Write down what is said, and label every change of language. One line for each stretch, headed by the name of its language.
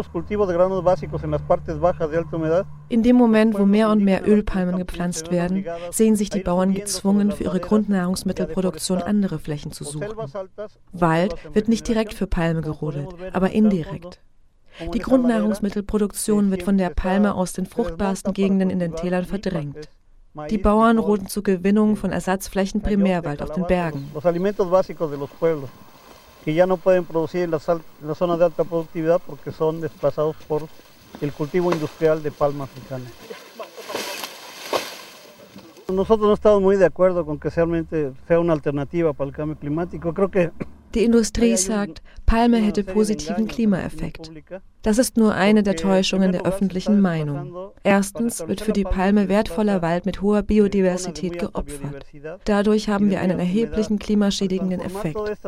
German: In dem Moment, wo mehr und mehr Ölpalmen gepflanzt werden, sehen sich die Bauern gezwungen, für ihre Grundnahrungsmittelproduktion andere Flächen zu suchen. Wald wird nicht direkt für Palme gerodet, aber indirekt. Die Grundnahrungsmittelproduktion wird von der Palme aus den fruchtbarsten Gegenden in den Tälern verdrängt. Die Bauern roden zur Gewinnung von Ersatzflächen Primärwald auf den Bergen.
Spanish: Nosotros no estamos muy de acuerdo con que realmente sea una alternativa para el cambio climático. Creo que
German: Die Industrie sagt, Palme hätte positiven Klimaeffekt. Das ist nur eine der Täuschungen der öffentlichen Meinung. Erstens wird für die Palme wertvoller Wald mit hoher Biodiversität geopfert. Dadurch haben wir einen erheblichen klimaschädigenden Effekt.